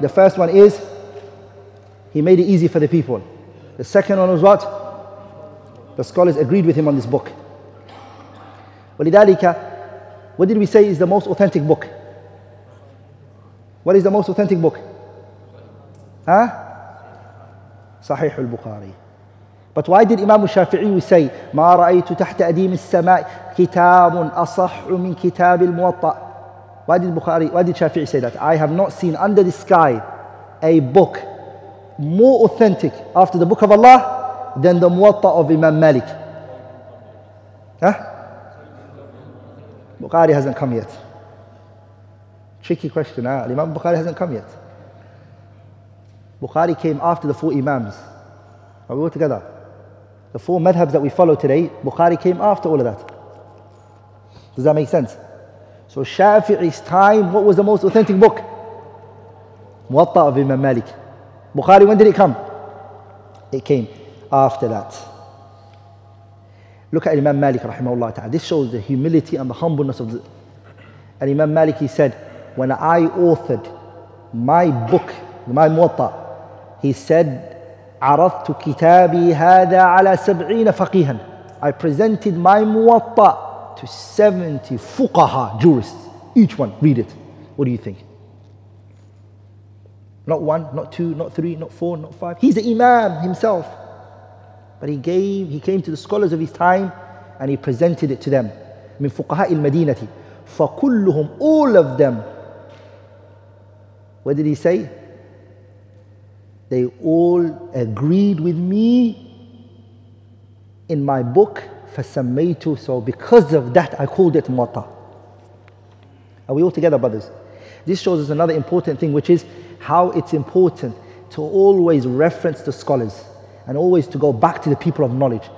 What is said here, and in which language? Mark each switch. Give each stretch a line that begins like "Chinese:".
English: The first one is, he made it easy for the people. The second one was what? The scholars agreed with him on this book.
Arabic: وَلِذَلِكَ.
English: What did we say is the most authentic book? What is the most authentic book?
Arabic: Huh? صحيح البخاري.
English: But why did Imam al-Shafi'i say,
Arabic: مَا رَأَيْتُ تَحْتَ أَدِيمِ السَّمَاءِ كِتَابٌ أَصَحُ مِنْ كِتَابِ الْمُوَطَّى.
English: Why did Shafi'i say that? I have not seen under the sky a book more authentic after the book of Allah than the Muwatta of Imam Malik. Huh? Bukhari hasn't come yet. Tricky question, huh? Imam Bukhari hasn't come yet. Bukhari came after the four Imams. Are we all together? The four madhabs that we follow today, Bukhari came after all of that. Does that make sense? So Shafi'i's time, what was the most authentic book? Muwatta of Imam Malik. Bukhari, when did it come? It came after that. Look at Imam Malik, rahimahullah ta'ala. This shows the humility and the humbleness of Imam Malik. He said, when I authored my book, my Muwatta, He said,
Arabic: عَرَضْتُ كِتَابِي هَذَا عَلَى سَبْعِينَ فَقِيهًا.
English: I presented my muwatta to 70 fuqaha, jurists. Each one, read it. What do you think? Not one, not two, not three, not four, not five. He's an imam himself. But he came to the scholars of his time and he presented it to them.
Arabic: مِنْ فُقَهَاءِ الْمَدِينَةِ فَكُلُّهُمْ,
English: all of them. What did he say? They all agreed with me in my book,
Arabic: فَسَمَّيْتُ.
English: So because of that, I called it Muwatta. Are we all together, brothers? This shows us another important thing, which is how it's important to always reference the scholars and always to go back to the people of knowledge.